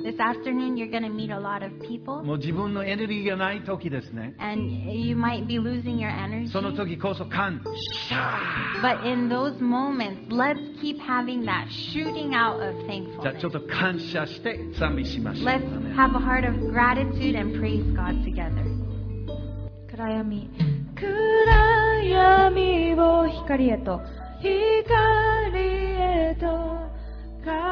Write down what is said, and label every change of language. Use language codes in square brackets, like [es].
[en] This afternoon you're gonna meet a lot of people. [ja] もう自分のエネルギーがない時ですね。 [en] And you might be losing your energy. [ja] その時こそ感謝。 [en] But in those moments, let's keep having that shooting out of thankfulness. [ja] じゃあちょっと感謝して賛美しましょう。 [en] Let's have a heart of gratitude and praise God together. [ja] 暗闇。暗闇を光へと変える